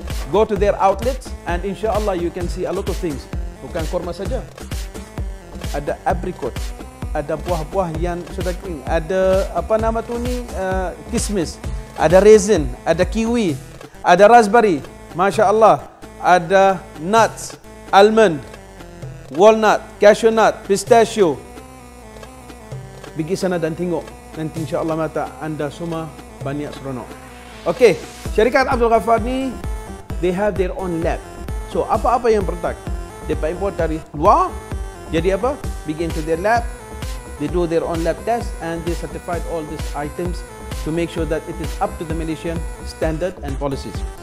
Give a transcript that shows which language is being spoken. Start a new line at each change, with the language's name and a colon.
English: Go to their outlets and insyaAllah you can see a lot of things.
Malay: Bukan kurma saja. Ada apricot, ada buah-buah yang sudah kering. Ada apa nama tu ni, kismis. Ada raisin, ada kiwi, ada raspberry. MasyaAllah, ada nuts, almond, walnut, cashew nut, pistachio. Pergi sana dan tengok. Nanti insyaAllah mata anda semua banyak seronok.
English: Okey, Syarikat Abdul Ghaffar ni, they have their own lab.
Malay: So, apa-apa yang produk, mereka import dari luar. Jadi apa? Begin to their lab.
English: They do their own lab test and they certified all these items to make sure that it is up to the Malaysian standard and policies.